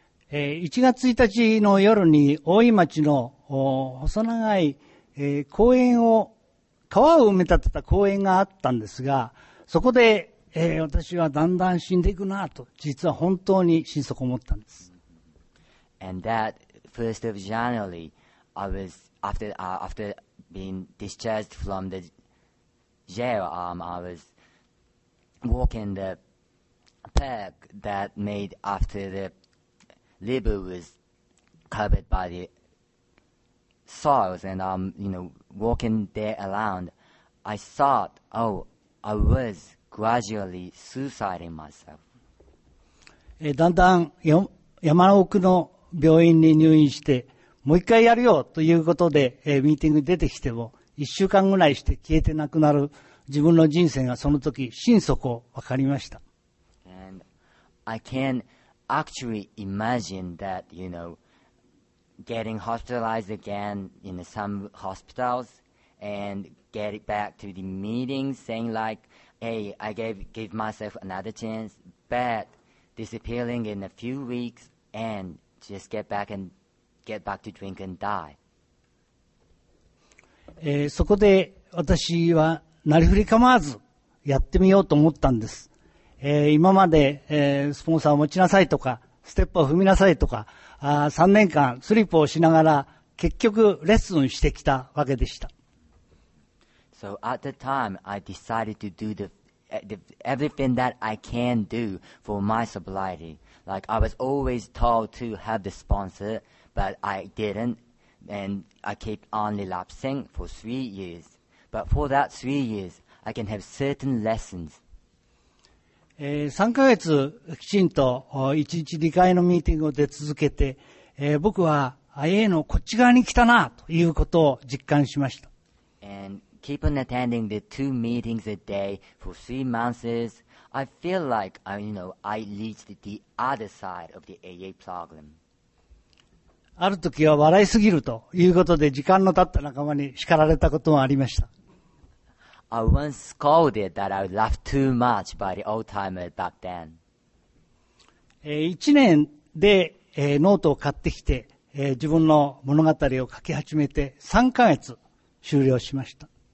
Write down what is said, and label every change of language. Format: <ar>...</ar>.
<ja>1月1日の夜に大井町の細長い公園を、川を埋め立てた公園があったんですが、そこで私はだんだん死んでいくなと、実は本当に心底思ったんです。</ja> <en>And that first of January, I was after being discharged from the jail, I was walking the park that made after theLibu was covered by the soils, and walking there around, I thought, oh, I was gradually suiciding myself.</en> <ja>だんだん山奥の病院に入院して、もう一回やるよということで、ミーティングに出てきても、一週間ぐらいして消えてなくなる自分の人生がその時、心底わかりました。</ja> <en>And I can't actually imagine that, you know, getting hospitalized again in some hospitals and get back to the meetings saying like, hey, I gave myself another chance, but disappearing in a few weeks and just get back to drink and die.</en> <ja>そこで私はなりふり構わずやってみようと思ったんです。今まで、スポンサーを持ちなさいとか、ステップを踏みなさいとか、3年間スリップをしながら、結局レッスンしてきたわけでした。</ja> <en>So at the time, I decided to do everything that I can do for my sobriety. Like, I was always told to have the sponsor, but I didn't. And I kept on relapsing for 3 years. But for that 3 years, I can have certain lessons.</en> <ja>3ヶ月きちんと1日2回のミーティングを出続けて、僕は IA のこっち側に来たなということを実感しました。</ja> <en>And keep on attending the two meetings a day for 3 months, I feel like I reached the other side of the AA problem.</en> <ja>ある時は笑いすぎるということで時間の経った仲間に叱られたこともありました。</ja> <en>I once scolded that I laughed too much by the old timer back then.</en> <ja>1年で、ノートを買ってきて、自分の物語を書き始めて3ヶ月終了しました。</ja>